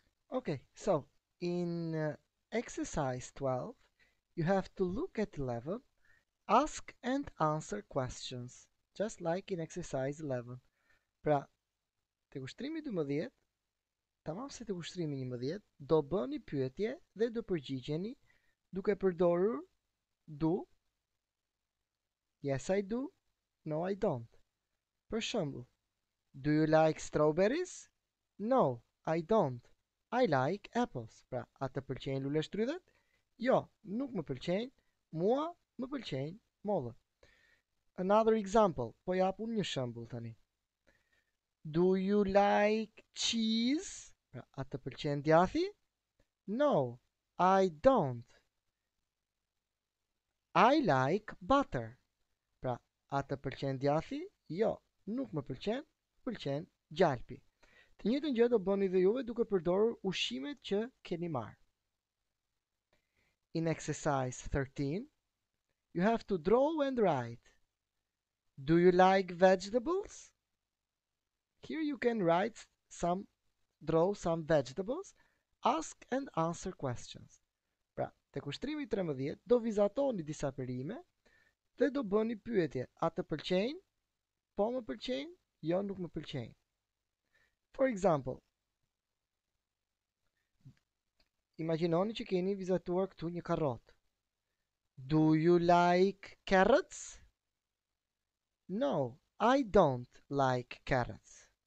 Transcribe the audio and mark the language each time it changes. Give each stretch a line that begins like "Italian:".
English: Okay, so in exercise 12, you have to look at 11. Ask and answer questions, just like in exercise 11.
Albanian: Pra, të ushtrimi 12, tamam se të ushtrimi 11, do bëni pyetje dhe do përgjigjeni duke përdorur do,
English: yes I do, no I don't.
Albanian: Për shembull,
English: do you like strawberries? No, I don't. I like apples.
Albanian: Pra, a të pëlqejnë lule shtrydhet? Jo, nuk më pëlqejnë, mua më pëlqejnë mollë.
English: Another example,
Albanian: po jap unë një shembull tani.
English: Do you like cheese?
Albanian: Pra, a të pëlqen djathi?
English: No, I don't. I like butter.
Albanian: Pra, a të pëlqen djathi? Jo, nuk më pëlqen, pëlqen gjalpi. Të njëjtën gjë do bëni dhe juve duke përdorur ushqimet që keni marrë.
English: In exercise 13, you have to draw and write. Do you like vegetables? Here you can write some, draw some vegetables, ask and answer questions.
Albanian: Pra, tek ushtrimi 13, do vizatoni disa perime Dhe do bëni pyetje, a të pëlqejnë? Po më pëlqejnë? Jo, nuk më pëlqejnë.
English: For example,
Albanian: imaginoni që keni vizatuar këtu një karrot.
English: Do you like carrots? No, I don't like carrots.